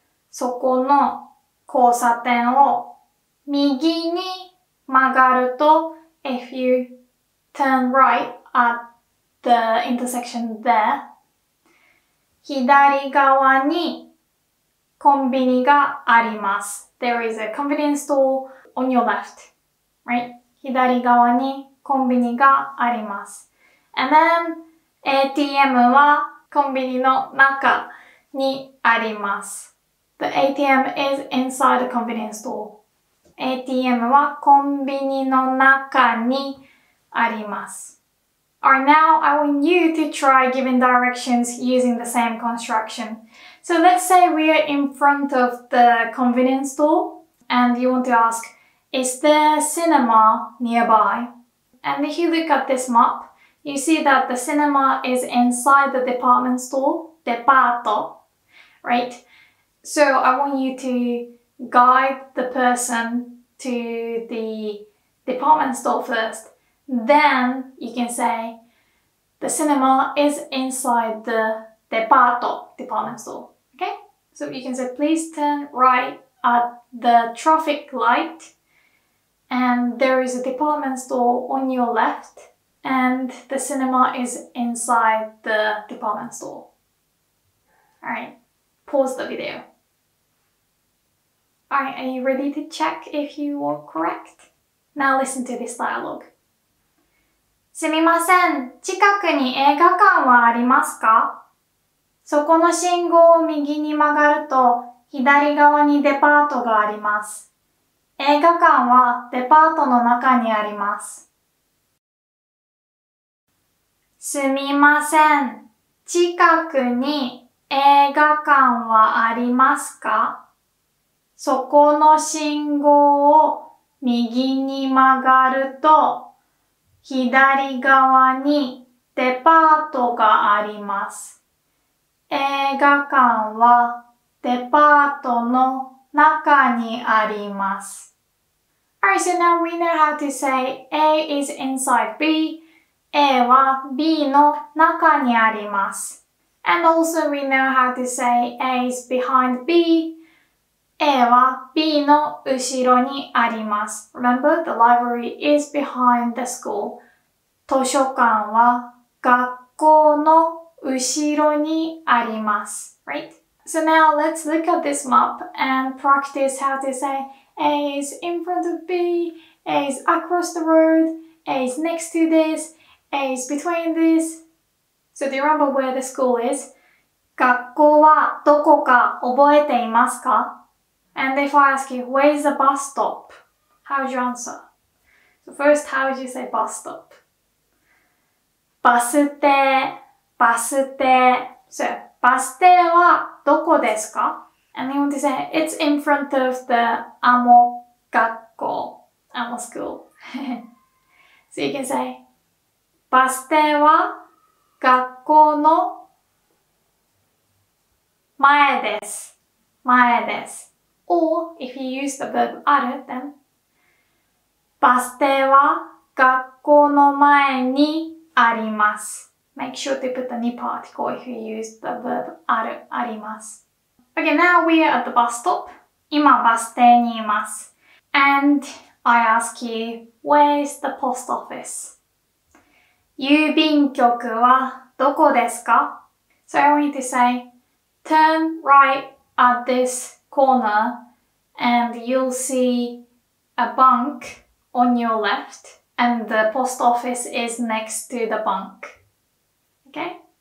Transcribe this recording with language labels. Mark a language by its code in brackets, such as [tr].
[ja] そこの交差点を右に曲がると [en] if you turn right at the intersection there, [ja] 左側にコンビニがあります。 [en] There is a convenience store on your left, right? [ja] 左側にコンビニがあります。 [en] And then, [ja] ATM はコンビニの中にあります。 [en] The ATM is inside the convenience store. [ja] ATM はコンビニの中にあります。 [en] Alright, now I want you to try giving directions using the same construction. So let's say we are in front of the convenience store and you want to ask, is there cinema nearby? And if you look at this map, you see that the cinema is inside the department store, デパート, right? So I want you to guide the person to the department store first. Then you can say,The cinema is inside the デパート, department store. Okay? So you can say, please turn right at the traffic light. And there is a department store on your left. And the cinema is inside the department store. All right. Pause the video. All right. Are you ready to check if you are correct? Now listen to this dialogue. [ja] すみません。近くに映画館はありますか？そこの信号を右に曲がると、左側にデパートがあります。映画館はデパートの中にあります。すみません。近くに映画館はありますか？そこの信号を右に曲がると左側にデパートがあります。映画館はデパートの中にあります。 [en] Alright, so now we know how to say A is inside B. [ja] A は B の中にあります。 [en] And also we know how to say A is behind B. [ja] A は B の後ろにあります。 [en] Remember, the library is behind the school. [ja] 図書館は学校の後ろにあります。 [en] Right? So now let's look at this map and practice how to say A is in front of B, A is across the road, A is next to this, A is between this. So do you remember where the school is? [ja] 学校はどこか覚えていますか? [en] And if I ask you, where is the bus stop? How would you answer? So first, how would you say bus stop? [ja] バス停、バス停。 So, バス停はどこですか? [en] And you want to say, it's in front of the Amo 学校, Amo school. So you can say, [ja] バス停は学校の前です。前です。 [en] Or, if you use the verb ある, then, [ja] バス停は学校の前にあります。 [en] Make sure to put the ni particle if you use the verb ある, あります。 Okay, now we are at the bus stop. [ja] 今バス停にいます。 [en] And I ask you, where is the post office? [ja] 郵便局はどこですか? [en] So I want you to say, turn right at this corner and you'll see a bank on your left and the post office is next to the bank. Okay?